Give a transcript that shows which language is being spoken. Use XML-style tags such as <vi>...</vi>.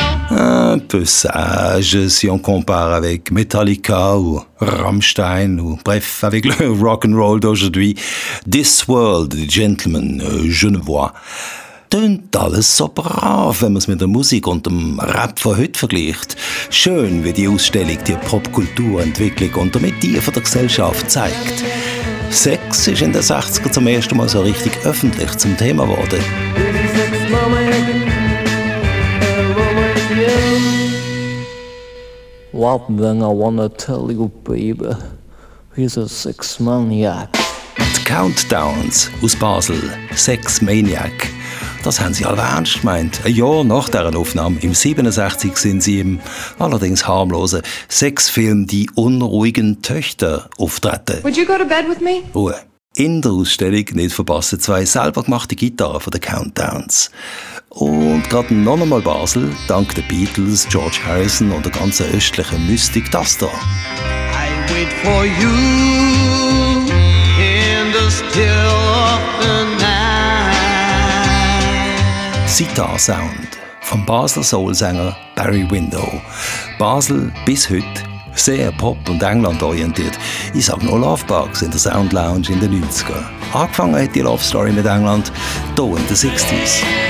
<fr>Un peu sage si on compare avec Metallica ou Rammstein ou bref avec le rock'n'roll d'aujourd'hui.</fr> <en>This World, Gentlemen, Genevois.</en> <de>Tönt alles so brav, wenn man es mit der Musik und dem Rap von heute vergleicht. Schön, wie die Ausstellung die Popkulturentwicklung und damit die von der Gesellschaft zeigt. Sex ist in den 60er zum ersten Mal so richtig öffentlich zum Thema geworden.</de> <en>One thing I wanna tell you, baby, he's a sex maniac.</en> <de>Die Countdowns aus Basel, Sex Maniac. Das haben sie alle ernst gemeint. Ein Jahr nach deren Aufnahme, im 67, sind sie im allerdings harmlosen Sexfilm Die unruhigen Töchter auftreten.</de> <en>Would you go to bed with me?</en> <de>Ruhe. In der Ausstellung nicht verpassen zwei selber gemachte Gitarren von den Countdowns. Und gerade noch einmal Basel, dank den Beatles, George Harrison und der ganzen östlichen Mystik, das da.</de> <en>I wait for you in the still of the night.</en> <de>Sitar Sound vom Basler Soul-Sänger Barry Window. Basel bis heute sehr pop- und England-orientiert. Ich sag nur Lovebugs in der Sound Lounge in den 90er. Angefangen hat die Love Story mit England hier in den 60s.</de>